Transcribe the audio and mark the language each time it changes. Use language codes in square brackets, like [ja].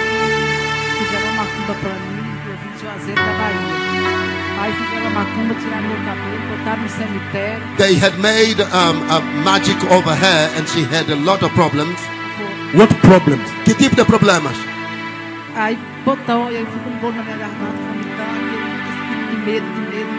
[pt] Fizeram uma macumba para mim, eu vim de Juazeiro da Bahia. Aí fizeram uma macumba, tiraram meu cabelo, botaram no cemitério. [en] They had made a magic over her and she had a lot of problems. What problems? [pt] Que tipo de problemas? Aí botou, eu fui com dor na minha garganta, vomitando, de medo.